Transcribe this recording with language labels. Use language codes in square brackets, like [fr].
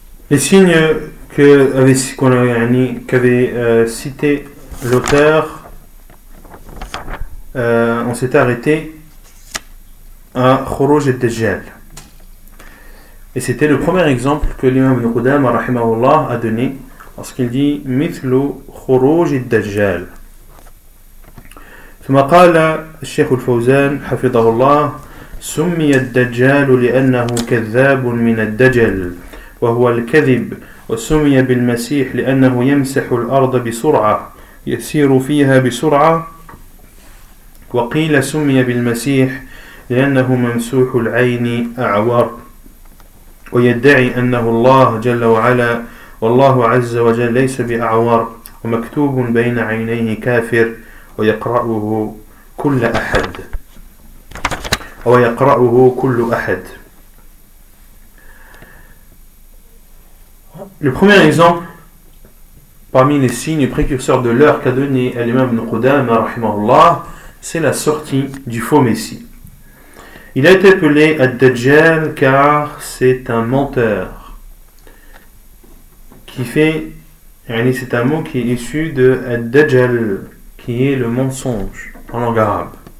[fr] Les signes qu'avait cité l'auteur, on s'est arrêté à Khuruj al-Dajjal. Et c'était le premier exemple que l'imam ibn Qudama rahimahullah a donné lorsqu'il dit [ar] mithlu Khuruj al-Dajjal. ثم قال الشيخ الفوزان حفظه الله سمي الدجال لأنه كذاب من الدجل وهو الكذب وسمي بالمسيح لأنه يمسح الأرض بسرعة يسير فيها بسرعة وقيل سمي بالمسيح لأنه ممسوح العين أعور ويدعي أنه الله جل وعلا والله عز وجل ليس بأعور ومكتوب بين عينيه كافر ويقرأه كل أحد ويقرأه كل أحد. [fr] Le premier exemple parmi les signes précurseurs de l'heure qu'a donné l'imam ibn Qudama rahimahullah, c'est la sortie du faux messie. Il a été appelé Ad-Dajjal car c'est un menteur qui fait, c'est un mot qui est issu de Ad-Dajjal, qui est le mensonge en langue arabe.